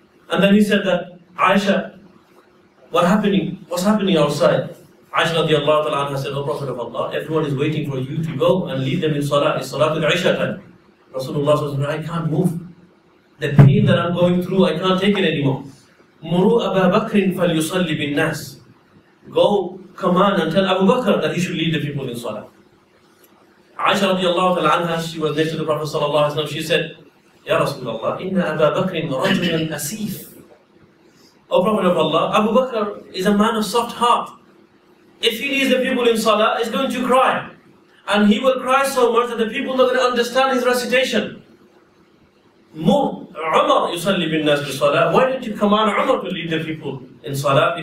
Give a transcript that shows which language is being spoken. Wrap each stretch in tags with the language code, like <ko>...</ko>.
<en>And then he said that, Aisha, what's happening outside? Aisha radiallahu ta'ala anha said, O Prophet of Allah, everyone is waiting for you to go and lead them in Salah. It's Salah al-Isha time. Rasulullah said, I can't move. The pain that I'm going through, I can't take it anymore.</en> <ar>مروا أبا بكر فليصلي بالناس.</ar> <en>Go, command and tell Abu Bakr that he should lead the people in salah.</en> <ar>عائشة رضي الله تعالى عنها,</ar> <en>she was next to the Prophet</en> <ar>صلى الله عليه وسلم,</ar> <en>she said,</en> <ar>يا رسول الله, إن أبا بكر رجل أسيف.</ar> <en>O Prophet of Allah, Abu Bakr is a man of soft heart. If he leads the people in salah, he's going to cry. And he will cry so much that the people are not going to understand his recitation.</en> <ar>مر عمر يصلي بالناس بالصلاة.</ar> <en>Why didn't you command عمر to lead the people in salah?</en>